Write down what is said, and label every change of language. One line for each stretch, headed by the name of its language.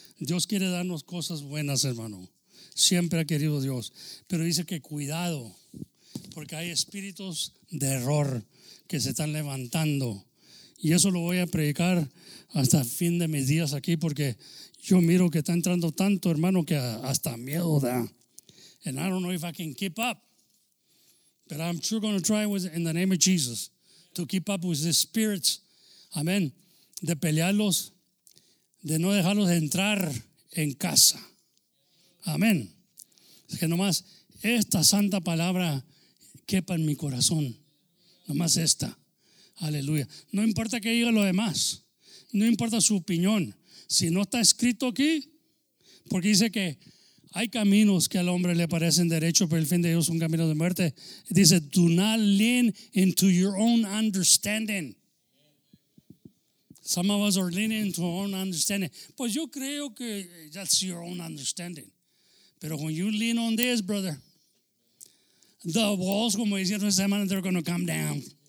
Spanish: Dios quiere darnos cosas buenas, hermano. Siempre ha querido Dios. Pero dice que cuidado, porque hay espíritus de error que se están levantando. Y eso lo voy a predicar hasta el fin de mis días aquí, porque yo miro que está entrando tanto, hermano, que hasta miedo da.
English: And I don't know if I can keep up. But I'm sure going to try with, in the name of Jesus, to keep up with the spirits.
Spanish: Amén. De pelearlos, de no dejarlos entrar en casa. Amén. Es que nomás esta santa palabra quepa en mi corazón. Nomás esta. Aleluya. No importa que diga lo demás. No importa su opinión. Si no está escrito aquí, porque dice que hay caminos que al hombre le parecen derechos, pero el fin de ellos son caminos de muerte. Dice,
English: do not lean into your own understanding. Some of us are leaning into our own understanding.
Spanish: Pues yo creo que
English: that's your own understanding.
Spanish: Pero
English: when you lean on this, brother, the walls,
Spanish: como dijeron esta semana,
English: they're going to come down.